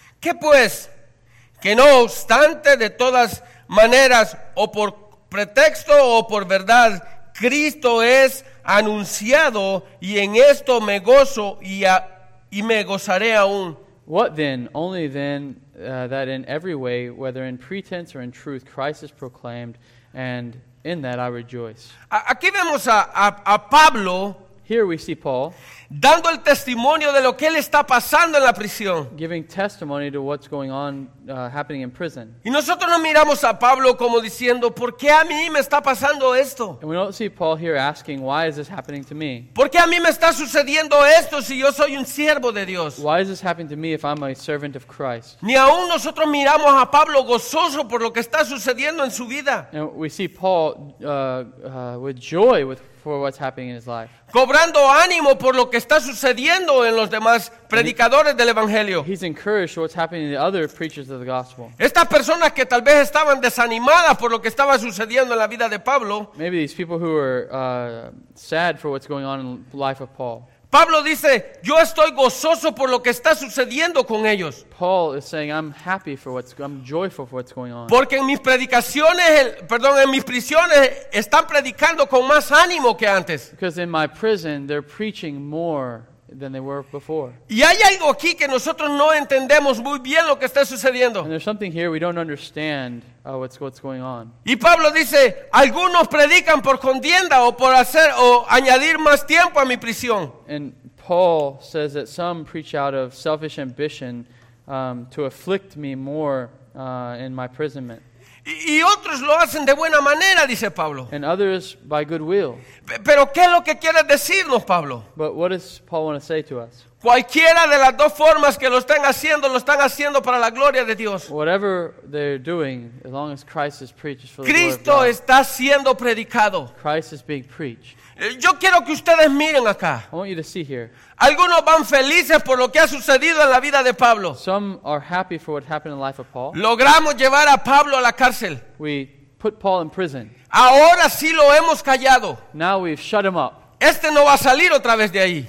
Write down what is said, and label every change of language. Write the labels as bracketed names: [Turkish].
[Spanish] ¿Qué pues? Que no obstante de todas maneras, o por pretexto o por verdad, Cristo es anunciado, y en esto me gozo y me gozaré aún. [English] What then? Only then that in every way, whether in pretense or in truth, Christ is proclaimed, and in that I rejoice. [Spanish] Aquí vemos a Pablo. [English] Here we see Paul [Spanish] dando el testimonio de lo que él está pasando en la prisión. [English] Giving testimony to what's going on, happening in prison. [Spanish] Y nosotros no miramos a Pablo como diciendo, ¿por qué a mí me está pasando esto? [English] And we don't see Paul here asking, why is this happening to me? [Spanish] ¿Por qué a mí me está sucediendo esto si yo soy un siervo de Dios? [English] Why is this happening to me if I'm a servant of Christ? [Spanish] Ni aún nosotros miramos a Pablo gozoso por lo que está sucediendo en su vida. [English] And we see Paul with joy for what's happening in his life. [Spanish] Cobrando ánimo por lo que está sucediendo en los demás predicadores del evangelio. [English] He's encouraged what's happening in the other preachers of the gospel. [Spanish] Estas personas que tal vez estaban desanimadas por lo que estaba sucediendo en la vida de Pablo. [English] Maybe these people who are sad for what's going on in the life of Paul. [Spanish] Pablo dice, yo estoy gozoso por lo que está sucediendo con ellos. [English] Paul is saying, I'm joyful for what's going on. [Spanish] Porque en mis predicaciones, en mis prisiones, están predicando con más ánimo que antes. [English] Because in my prison, they're preaching more than they were before. [Spanish] Y hay algo aquí que nosotros no entendemos muy bien lo que está sucediendo. [English] And there's something here we don't understand what's going on. [Spanish] Y Pablo dice, algunos predican por contienda o por hacer o añadir más tiempo a mi prisión. [English] And Paul says that some preach out of selfish ambition to afflict me more in my imprisonment. [Spanish] Y otros lo hacen de buena manera, dice Pablo. [English] And others by goodwill. [Spanish] Pero ¿qué es lo que quiere decirnos, Pablo? [English] But what does Paul want to say to us? [Spanish] Cualquiera de las dos formas que lo están haciendo para la gloria de Dios. [English] Whatever they're doing, as long as Christ is preached, for [Spanish] Cristo [English] the glory of God. [Spanish] Cristo está siendo predicado. [English] Christ is being preached. [Spanish] Yo quiero que ustedes miren acá. [English] I want you to see here. [Spanish] Algunos van felices por lo que ha sucedido en la vida de Pablo. [English] Some are happy for what happened in the life of Paul. [Spanish] Logramos llevar a Pablo a la cárcel. [English] We put Paul in prison. [Spanish] Ahora sí lo hemos callado. [English] Now we've shut him up. [Spanish] Este no va a salir otra vez de ahí.